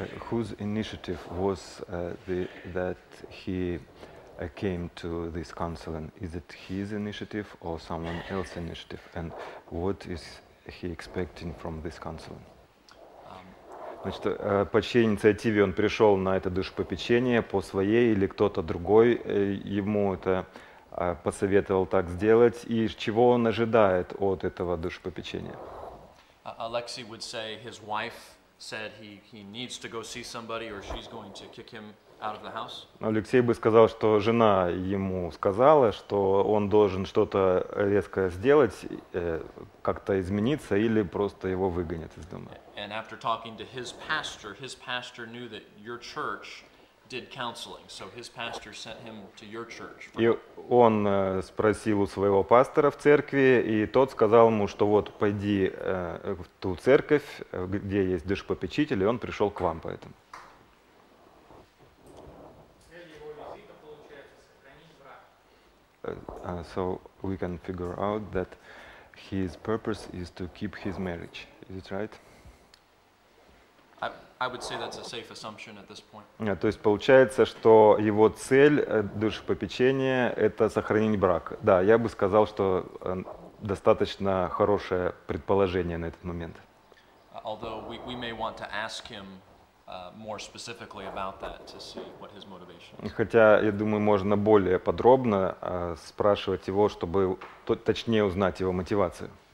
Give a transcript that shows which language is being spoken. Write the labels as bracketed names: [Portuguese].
[English] Whose initiative was that he came to this counseling? Is it his initiative or someone else's initiative? And what is he expecting from this counseling? [Russian] Значит, по чьей инициативе он пришел на это душепопечение, по своей или кто-то другой ему это посоветовал так сделать, и чего он ожидает от этого душепопечения? [English] Alexei would say his wife said he needs to go see somebody or she's going to kick him out of the house. [Russian] Алексей бы сказал, что жена ему сказала, что он должен что-то резко сделать, как-то измениться или просто его выгонят из дома. [English] And after talking to his pastor knew that your church did counseling, so his pastor sent him to your church. [Russian] И он спросил у своего пастора в церкви, и тот сказал ему, что вот пойди в ту церковь, где есть душепопечитель, и он пришел к вам поэтому. [English] So we can figure out that his purpose is to keep his marriage. Is it right? I would say that's a safe assumption at this point. [Russian] То есть получается, что его цель душепопечения — это сохранить брак. Да, я бы сказал, что достаточно хорошее предположение на этот момент. [English] Although we may want to ask him more specifically about that to see what his motivation is. [Russian] Хотя, я думаю, можно более подробно спрашивать его, чтобы точнее узнать его мотивацию.